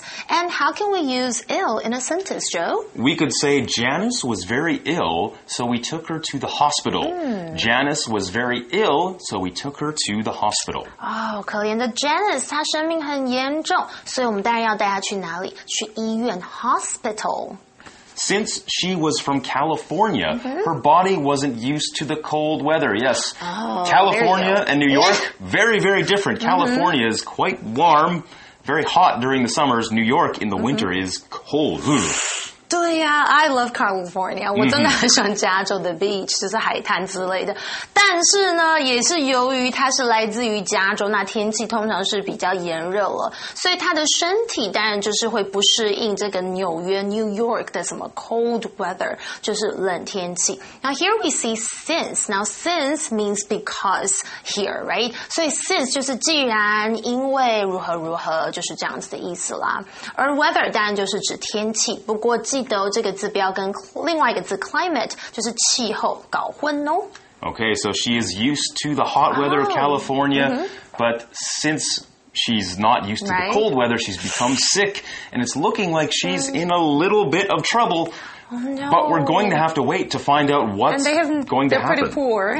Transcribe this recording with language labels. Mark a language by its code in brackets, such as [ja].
[en] And how can we use ill in a sentence, Joe? We could say Janice was very ill, so we took her to the hospital. Janice was very ill, so we took her to the hospital. [zh] Oh, 可怜的 Janice, 她生病很严重，所以我们当然要带她去哪里？去医院 hospital. [en] Since she was from California, her body wasn't used to the cold weather. Yes, California and New York, very, very different. California is quite warm, very hot during the summers. New York in the winter is cold. [zh] 对呀、啊、 [en] I love California. [zh] 我真的很喜欢加州的 beach, 就是海滩之类的。但但是呢也是由于它是来自于加州，那天气通常是比较炎热了，所以它的身体当然就是会不适应这个纽约 New York 的什么 cold weather， 就是冷天气。 [en] Now here we see since. Now since means because here, right? [zh] 所以 since 就是既然因为如何如何，就是这样子的意思啦。而 weather 当然就是指天气，不过记得这个字不要跟另外一个字 climate 就是气候搞混哦。 [en] Okay, so she is used to the hot weather of California, but since she's not used to the cold weather, she's become sick, and it's looking like she's in a little bit of trouble. Oh, no. But we're going to have to wait to find out what's going to happen. They're pretty poor.